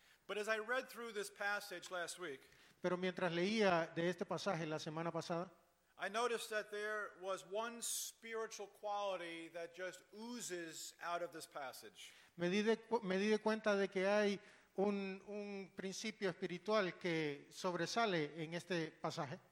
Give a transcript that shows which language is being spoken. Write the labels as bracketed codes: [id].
[en] But as I read through this passage last week, [es] pero mientras leía de este pasaje la semana pasada, [en] I noticed that there was one spiritual quality that just oozes out of this passage. [es] Me di cuenta de que hay un principio espiritual que sobresale en este pasaje.